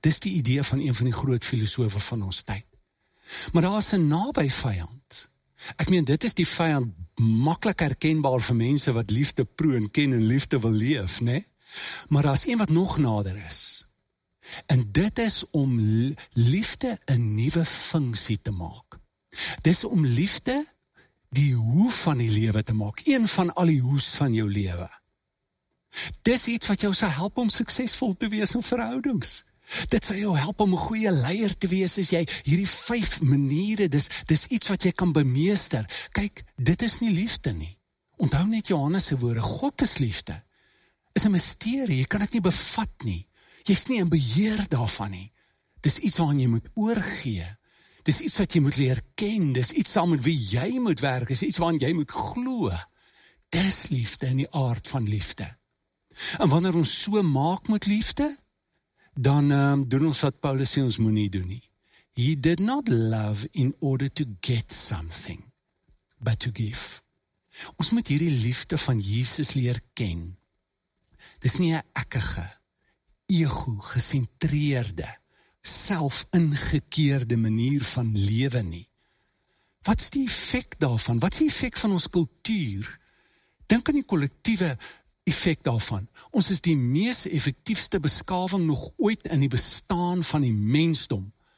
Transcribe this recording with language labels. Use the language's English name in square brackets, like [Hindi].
[Afrikaans] Dis die idee van een van die groot filosofe van ons tyd. Maar daar is 'n naby vyand. Ek meen, dit is die vyand maklik herkenbaar vir mense wat liefde proon, ken en liefde wil leef, né? Maar daar is een wat nog nader is. En dit is om liefde 'n nuwe funksie te maak. Dis om liefde die hoof van die lewe te maak, een van al die hoes van jou lewe. Dis iets wat jou sal help om suksesvol te wees in verhoudings. Dit sal jou help om 'n goeie leier te wees as jy hierdie 5 maniere, dis iets wat jy kan bemeester. Kyk, dit is nie liefde nie. Onthou net Johannes se woorde, God is liefde. Is 'n misterie, jy kan dit nie bevat nie. Jy's nie in beheer daarvan nie. Dis iets waaraan jy moet oorgee. Dis iets wat jy moet leer ken. Dis iets saam met wie jy moet werk. Dis iets waaraan jy moet glo. Dis liefde in die aard van liefde. En wanneer ons so maak met liefde, dan doen ons wat Paulus sê ons moenie doen nie. [English] He did not love in order to get something, but to give. [Afrikaans] Ons moet hierdie liefde van Jesus leer ken. Dis nie 'n ekkige, ego-gesentreerde, self-ingekeerde manier van lewe nie. Wat's die effek daarvan? Wat's die effek van ons kultuur? Dink aan die kollektiewe effek daarvan. Ons is die mees effektiefste beskawing nog ooit in die bestaan van die mensdom.